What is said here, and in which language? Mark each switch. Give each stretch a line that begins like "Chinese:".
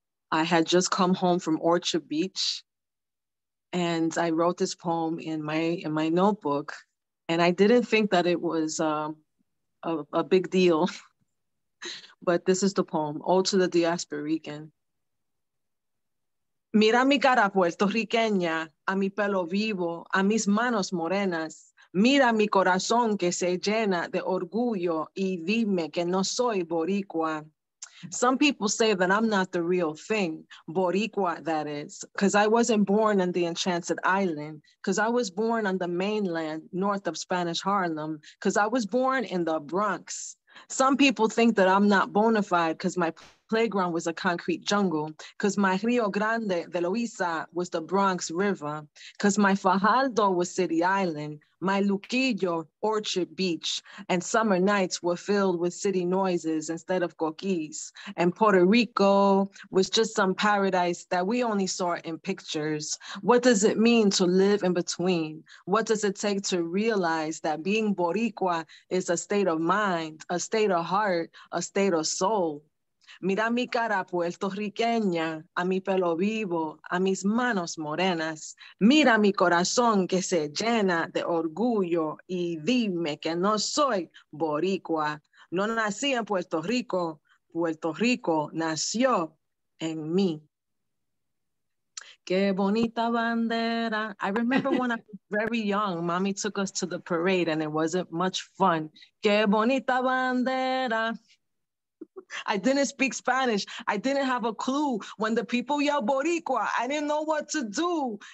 English: I had just come home from Orchard Beach. And I wrote this poem in my notebook, and I didn't think that it was a big deal, but this is the poem, Ode to the Diasporican.
Spanish: Mira mi cara puertorriqueña, a mi pelo vivo, a mis manos morenas, Mira mi corazón que se llena de orgullo y dime que no soy boricua.
English: Some people say that I'm not the real thing, boricua that is, because I wasn't born on the Enchanted Island, because I was born on the mainland north of Spanish Harlem, because I was born in the Bronx. Some people think that I'm not bona fide because my playground was a concrete jungle, because my Rio Grande de Loíza was the Bronx River, because my Fajardo was City Island, my Luquillo, Orchard Beach, and summer nights were filled with city noises instead of coquis, and Puerto Rico was just some paradise that we only saw in pictures. What does it mean to live in between? What does it take to realize that being Boricua is a state of mind, a state of heart, a state of soul?
Spanish: Mira mi cara puertorriqueña, a mi pelo vivo, a mis manos morenas. Mira mi corazón que se llena de orgullo y dime que no soy boricua. No nací en Puerto Rico, Puerto Rico nació en mí. Qué bonita bandera.
English: I remember when I was very young, mommy took us to the parade and it wasn't much fun.
Spanish: Qué bonita bandera.
English: I didn't speak Spanish. I didn't have a clue. When the people yelled Boricua, I didn't know what to do.